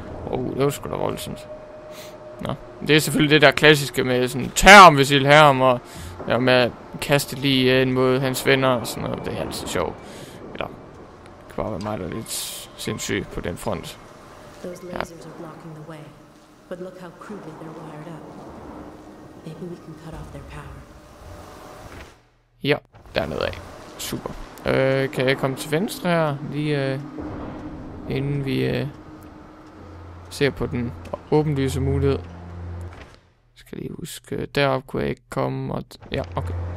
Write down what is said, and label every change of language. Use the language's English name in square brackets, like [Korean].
[Danish] Oh, det var sgu da voldsomt. Nå, det er selvfølgelig det der klassiske med sådan, tag ham, hvis I vil have ham, og ja, med at kaste lige ind mod hans venner og sådan noget. Det er altid sjovt. Eller, det kan bare være mig, der er lidt sindssyg på den front. [English] Those lasers are blocking the way, but look how crudely they're wired up. Maybe we can cut off their power. [Danish] Ja, dernede af. Super. Kan jeg komme til venstre her, lige inden vi ser på den åbenlyse mulighed? Skal lige huske, derop kunne jeg ikke komme, og ja, okay.